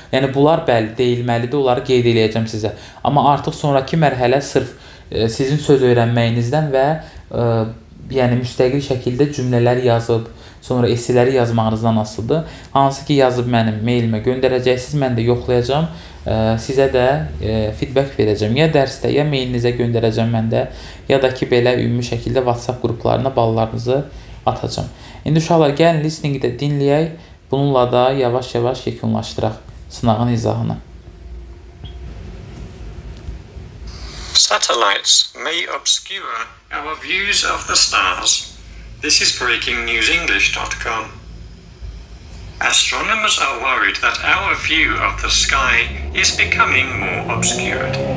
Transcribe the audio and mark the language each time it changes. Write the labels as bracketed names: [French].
[Azerbaijani] Yəni bunlar bəlli deyilməlidir, onları qeyd eləyəcəm sizə. Amma artıq sonrakı mərhələ sırf sizin söz öyrənməyinizdən və yəni müstəqil şəkildə cümlələr yazıb, sonra esseləri yazmağınızdan asılıdır. Hansı ki yazıb mənim mailimə göndərəcəksiniz, mən də yoxlayacağım. Sizə də feedback verəcəm. Ya dərsdə, ya mailinizə göndərəcəm mən də. Ya da ki, belə ümumi şəkildə WhatsApp qruplarına ballarınızı atacağım. İndi uşaqlar, gəlin listening-i də dinləyək. Bununla da yavaş-yavaş yekunlaşdıraq sınağın izahını. [English] Satellites may obscure our views of the stars. This is breakingnewsenglish.com. Astronomers are worried that our view of the sky is becoming more obscured.